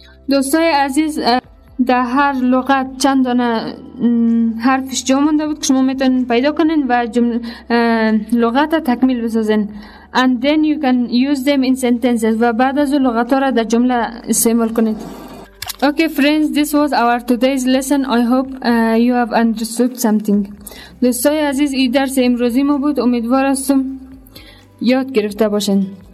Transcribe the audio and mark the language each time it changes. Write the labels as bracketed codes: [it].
[fa] دوستای عزیز، در هر لغت چند دانه حرفش جو مونده بود که شما میتونین پیدا کنین و لغت تکمیل بسازین. [en] And then you can use them in sentences. [fa] و بعد از اون لغت ها را در جمله استعمال کنید. [en] Okay, friends, this was our today's lesson. I hope you have understood something. [fa] دوستای عزیز، این درس امروزی ما بود. امیدوار هستم یاد گرفته باشین.